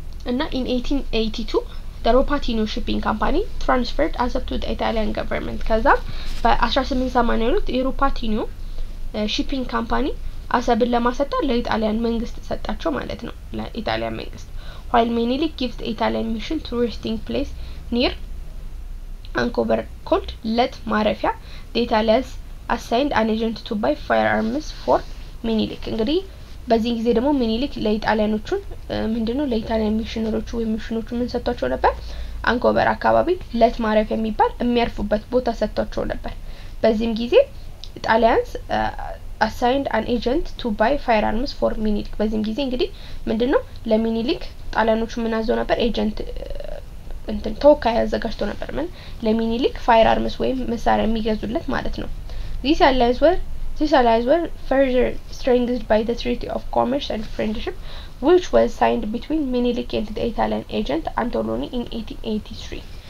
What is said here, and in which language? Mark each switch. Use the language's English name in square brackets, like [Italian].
[English] እና in 1882 the Ropatino shipping company transferred assets to the Italian government. [Amharic] ከዛ በ1882 የሮፓቲኖ [English] shipping company assets [Amharic] ለማሰጣ ለኢጣሊያን መንግስት ሰጣቸው ማለት ነው ለኢጣሊያን መንግስት. [English] While mainly gives the Italian mission touristing place near Ancover called Let Marefia, the Italians assigned an agent to buy firearms for Minilik. [Amharic] እንግዲህ በዚህ ጊዜ ደግሞ ሚኒሊክ ለኢጣሊያኖቹን ምንድነው ለኢጣሊያን ሚሽነሮቹ ወይ ሚሽነሮቹ ምን ሰጥቷቸው ነበር? አንኮበር አካባቢ ለት ማረፍ የሚባል የሚያርፉበት ቦታ ሰጥቷቸው ነበር። በዚህም ጊዜ [English] ኢጣሊያንስ አሳይንድ አን ኤጀንት ቱ ባይ ፋየርአርምስ ፎር ሚኒሊክ. [Amharic] በዚህም ጊዜ እንግዲህ ምንድነው ለሚኒሊክ ኢጣሊያኖቹ ምን አዘው ነበር? ኤጀንት እንትን ተወካይ አዘጋጅቶ ነበር ምን ለሚኒሊክ ፋየርአርምስ ወይ መሳሪያ የሚገዙለት ማለት ነው. [English] ዚስ አላይዝ ወር These allies were further strengthened by the Treaty of Commerce and Friendship, which was signed between Minilik and the Italian agent Antonioni in 1883.